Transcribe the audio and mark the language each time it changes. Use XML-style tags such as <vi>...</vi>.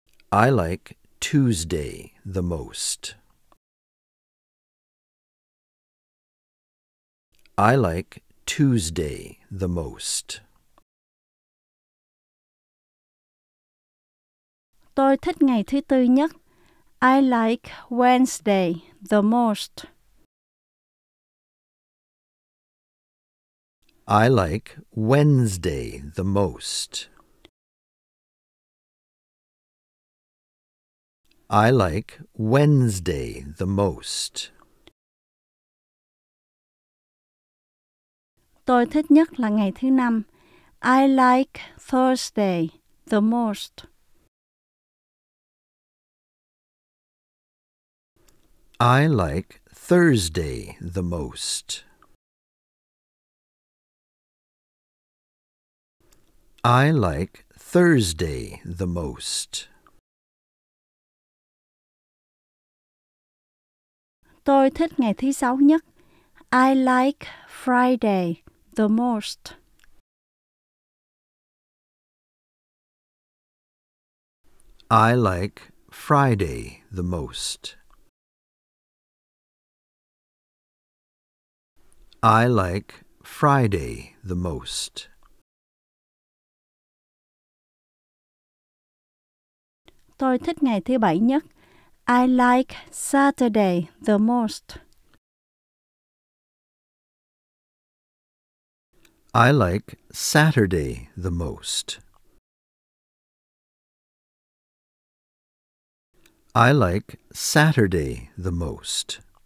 <en>I like Tuesday the most. I like Tuesday the most.</en> <vi>Tôi thích ngày thứ tư nhất.</vi> <en>I like Wednesday the most. I like Wednesday the most. I like Wednesday the most.</en> <vi>Tôi thích nhất là ngày thứ năm.</vi> <en>I like Thursday the most. I like Thursday the most. I like Thursday the most.</en> <vi>Tôi thích ngày thứ sáu nhất.</vi> <en>I like Friday the most. I like Friday the most. I like Friday the most.</en> <vi>Tôi thích ngày thứ bảy nhất.</vi> <en>I like Saturday the most. I like Saturday the most. I like Saturday the most.</en>